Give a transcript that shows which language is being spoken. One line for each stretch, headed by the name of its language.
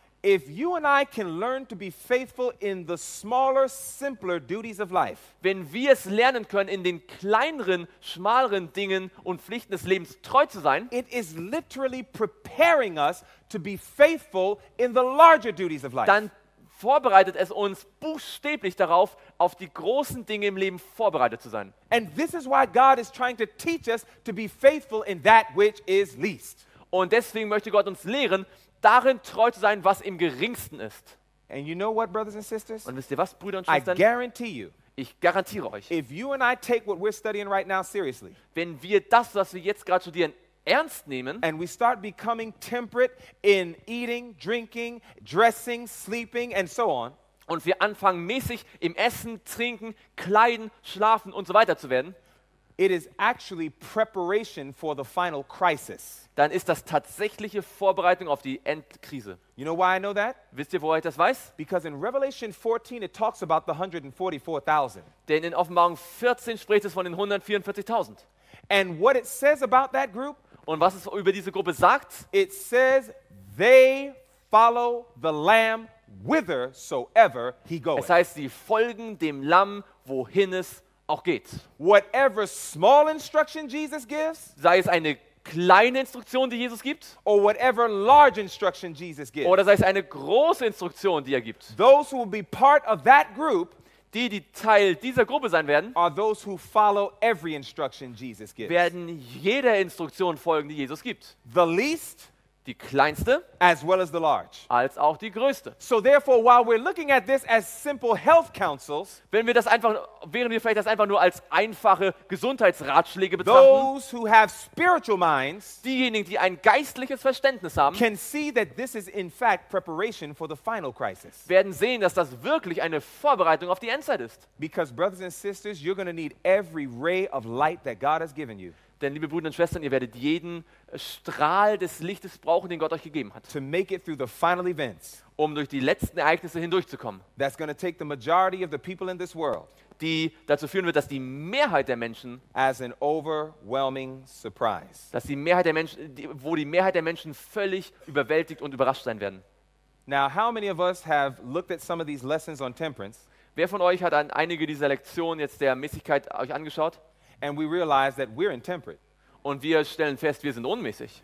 English: If you and I can learn to be faithful in the smaller, simpler duties of life,
German: wenn wir es lernen können, in den kleineren, schmaleren Dingen und Pflichten des Lebens treu zu sein,
English: it is literally preparing us to be faithful in the larger duties of life.
German: Dann vorbereitet es uns buchstäblich darauf, auf die großen Dinge im Leben vorbereitet zu sein.
English: And this is why God is trying to teach us to be faithful in that which is least.
German: Und deswegen möchte Gott uns lehren, darin treu zu sein, was im Geringsten ist.
English: And you know what, brothers and sisters?
German: Und wisst ihr was, Brüder und Schwestern?
English: I guarantee you,
German: ich garantiere euch,
English: if you and I take what we're studying right now seriously,
German: wenn wir das, was wir jetzt gerade studieren, ernst nehmen,
English: and we start becoming temperate in eating, drinking, dressing, sleeping and so on,
German: und wir anfangen mäßig im Essen, Trinken, Kleiden, Schlafen und so weiter zu werden,
English: It is actually preparation for the final crisis.
German: Dann ist das tatsächliche Vorbereitung auf die Endkrise.
English: You know why I know that?
German: Wisst ihr, woher ich das weiß?
English: Because in Revelation 14 it talks about the 144,000.
German: Denn in Offenbarung 14 spricht es von den 144,000.
English: And what it says about that group?
German: Und was es über diese Gruppe sagt?
English: It says they follow the Lamb whithersoever he goeth.
German: Es heißt, sie folgen dem Lamm, wohin es auch geht.
English: Whatever small instruction Jesus gives,
German: sei es eine kleine Instruktion, die Jesus gibt,
English: or whatever large instruction Jesus gives,
German: oder sei es eine große Instruktion, die er gibt.
English: Those who will be part of that group,
German: die Teil dieser Gruppe sein werden,
English: are those who follow every instruction Jesus gives.
German: Werden jeder Instruktion folgen, die Jesus gibt.
English: The least,
German: die kleinste,
English: as well as the large,
German: als auch die größte.
English: So therefore, while we're looking at this as simple health counsels,
German: während wir vielleicht das einfach nur als einfache Gesundheitsratschläge betrachten,
English: those who have spiritual minds,
German: diejenigen, die ein geistliches Verständnis haben,
English: can see that this is in fact preparation for the final crisis.
German: Werden sehen, dass das wirklich eine Vorbereitung auf die Endzeit ist.
English: Because brothers and sisters, you're going to need every ray of light that God has given you.
German: Denn, liebe Brüder und Schwestern, ihr werdet jeden Strahl des Lichtes brauchen, den Gott euch gegeben hat.
English: To make it through the final events,
German: um durch die letzten Ereignisse hindurchzukommen.
English: That's going to take the majority of the people in this world,
German: die dazu führen wird, dass die Mehrheit der Menschen,
English: as an overwhelming surprise,
German: dass die Mehrheit der Menschen, wo die Mehrheit der Menschen völlig überwältigt und überrascht sein werden.
English: Now, how many of us have looked at some of these lessons on temperance?
German: Wer von euch hat an einige dieser Lektionen jetzt der Mäßigkeit euch angeschaut?
English: And we realize that we're intemperate.
German: Und wir stellen fest, wir sind unmäßig.